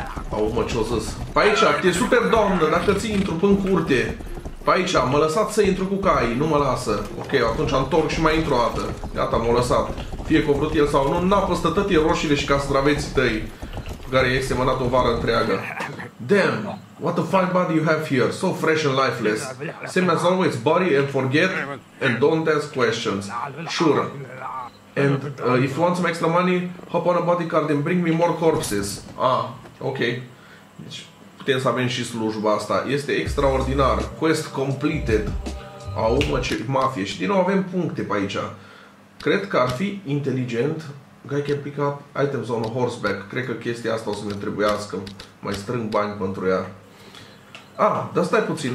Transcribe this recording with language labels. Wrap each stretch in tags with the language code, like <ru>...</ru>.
<ro>Au, mă, ce-o zis? Pe aici, e super doamnă, dacă ții intru în curte. Pe aici, mă lăsat să intru cu cai, nu mă lasă. Ok, atunci întorc și mai intru o dată. Gata, m-a lăsat. Fie că o vrut el sau nu, n-a păstrat tătie roșiile și castraveții tăi. Cu care i-ai semănat o vară întreagă.</ro> <en>Damn, what the fuck body you have here, so fresh and lifeless. Same as always, bury and forget and don't ask questions. Sure. And if you want some extra money, hop on a body card and bring me more corpses.</en> <ro>Ok. Deci... Putem să avem și slujba asta. Este extraordinar.</ro> <en>Quest completed.</en> <ro>Au, mă, ce mafie. Și din nou avem puncte pe aici. Cred că ar fi inteligent.</ro> <en>Guy can pick up items on a horseback.</en> <ro>Cred că chestia asta o să ne trebuiască. Mai strâng bani pentru ea. Dar stai puțin.</ro>